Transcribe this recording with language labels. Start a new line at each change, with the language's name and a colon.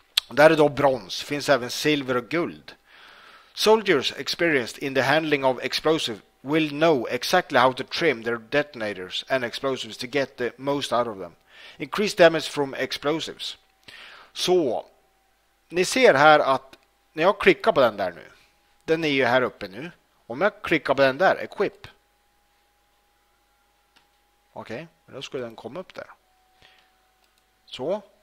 Swedish: Där är då brons, finns även silver och guld.
English: Soldiers experienced in the handling of explosive will know exactly how to trim their detonators and explosives to get the most out of them. Increase damage from explosives.
Swedish: Så, ni ser här att när jag klickar på den där nu. Den är ju här uppe nu. Om jag klickar på den där, equip. Okej, då skulle den komma upp där. Så.